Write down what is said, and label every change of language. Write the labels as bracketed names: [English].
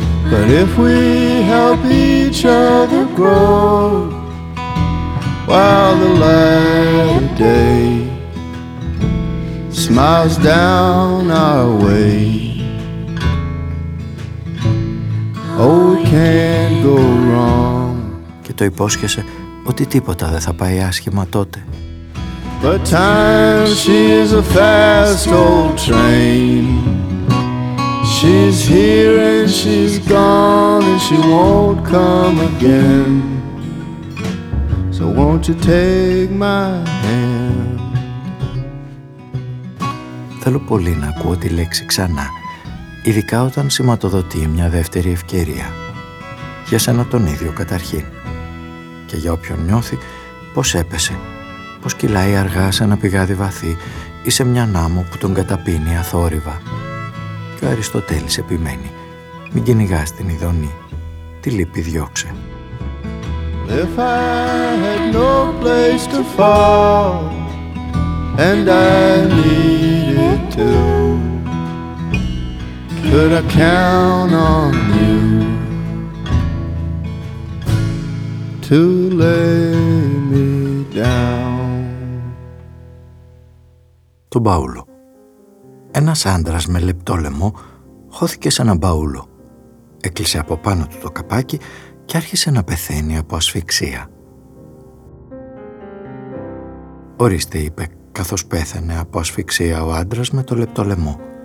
[English] But if we help each other grow while the light of day smiles down our way, oh, we can't go wrong. [Greek] Και το υπόσχεσαι ότι τίποτα δεν θα πάει άσχημα τότε. [English] But time, she is a fast old train. She's here and she's gone and she won't come again. So won't you take my hand? [Greek] Θέλω πολύ να ακούω τη λέξη ξανά, ειδικά όταν σηματοδοτεί μια δεύτερη ευκαιρία. Για σένα τον ίδιο καταρχήν. Και για όποιον νιώθει πως έπεσε, πως κυλάει αργά σε ένα πηγάδι βαθύ ή σε μια νάμο που τον καταπίνει αθόρυβα. Και ο Αριστοτέλης επιμένει: μην κυνηγάς την ειδονή, τη λύπη διώξε. [English] If I had no place to fall and I needed to, could I count on you to lay me down? [Greek] Τον Παύλο. Ένας άντρας με λεπτό λαιμό χώθηκε σε ένα μπαούλο. Έκλεισε από πάνω του το καπάκι και άρχισε να πεθαίνει από ασφυξία. «Ορίστε», είπε, καθώς πέθαινε από ασφυξία ο άντρας με το λεπτό λαιμό.